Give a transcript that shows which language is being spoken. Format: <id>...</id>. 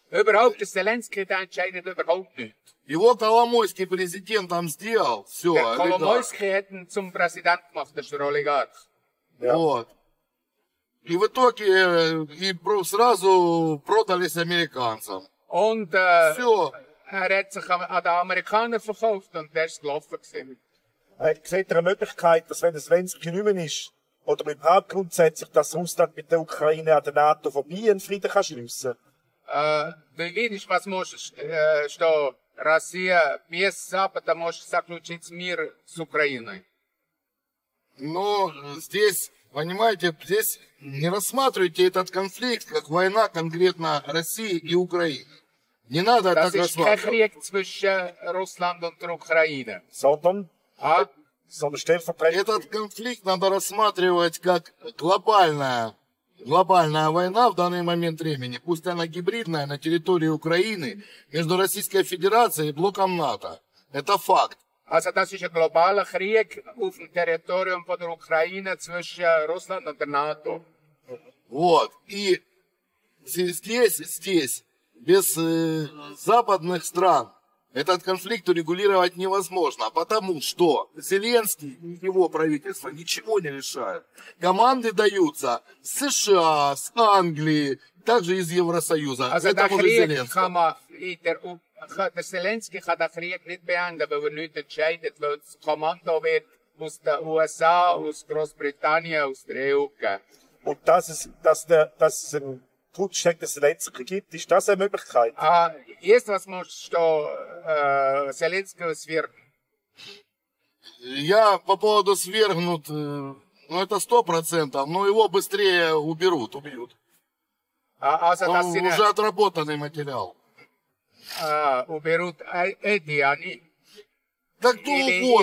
<de>Überhaupt, Зеленский это entscheidet überhaupt nicht.</de> <ru>Его Коломойский президент там сделал. Все,</ru> <de>oligarch. Коломойский это zum Präsident gemacht, das ist der Oligarch.</de> <ru>Вот. И в итоге сразу продались американцам.</ru> <de>Und,</de> <ru>все.</ru> <de>Er hat sich an den Amerikaner verkauft und der ist gelaufen gewesen. Seht ihr eine Möglichkeit, dass wenn es Svensky nicht mehr ist, oder mit dem Hauptgrund setzt, dass Russland mit der Ukraine an der NATO vorbei einen Frieden kann schliessen? Du weißt, was muss,</de> <ru>что Россия без Запада может заключить мир с Украиной? Ну, здесь, понимаете, здесь не рассматривайте этот конфликт как война конкретно России и Украины. Не надо</ru> <de>das</de> <ru>так рассматривать. Это не конфликт между Русландом и Украиной.</ru> <de>Sondern?</de> <ru>Этот конфликт надо рассматривать как глобальная война в данный момент времени, пусть она гибридная, на территории Украины, между Российской Федерацией и блоком НАТО. Это факт.</ru> <de>Also, das ist ein globaler Krieg auf dem Territorium von der Ukraine zwischen Russland und der NATO.</de> <ru>Вот. И здесь, без западных стран, этот конфликт урегулировать невозможно, потому что Зеленский и его правительство ничего не решают. Команды даются в США, с Англии, также из Евросоюза. Also это уже Зеленский.</ru> <de>Der Zelensky hat den Krieg nicht beendet, weil er nicht entscheidet, weil das Kommando wird aus den USA, aus Großbritannien, aus der EU. Und dass es einen Putsch gegen Zelensky gibt, ist das eine Möglichkeit? Jetzt, was musst du Zelensky</de> <ru>свергнуть? Ja, по поводу свергнут, ну это 100%, но его быстрее уберут, убьют. Уже отработанный материал. Уберут эти, они? Да кто угодно.</ru>